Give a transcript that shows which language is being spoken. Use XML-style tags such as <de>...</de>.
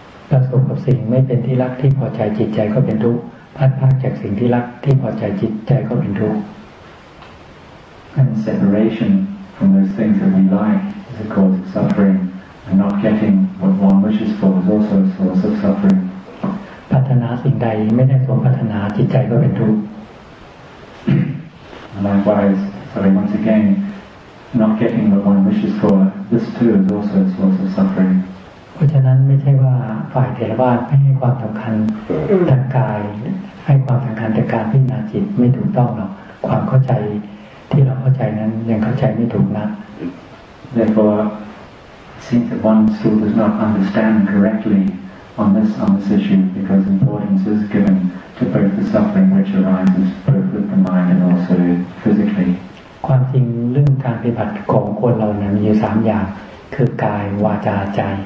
<th>ประสบกับสิ่งไม่เป็นที่รักที่พอใจจิตใจก็เป็นทุกข์พัดพากจากสิ่งที่รักที่พอใจจิตใจก็เป็นทุกข์</th> <en>and separationFrom those things that we like is a cause of suffering, and not getting what one wishes for is also a source of suffering.</en> <th>ปรารถนาสิ่งใดไม่ได้สมปรารถนาจิตใจก็เป็นทุกข์</th> <en>Likewise, sorry, once again, not getting what one wishes for, this too is also a source of suffering.</en> <th>เพราะฉะนั้นไม่ใช่ว่าฝ่ายเถรวาทไม่ให้ความสำคัญทางกายให้ความสำคัญแต่การพิจารณาจิตไม่ถูกต้องหรอกความเข้าใจที่เราเข้าใจนั้นยังเข้าใจไม่ถูกนะ</th> <en>Therefore, since that one still does not understand correctly on this issue, because importance is given to both the suffering which arises both with the mind and also physically.</en> <th>ความจริงเรื่องการปฏิบัติของคนเรานั้นมีอยู่สามอย่างคือกายวาจาใจ</th>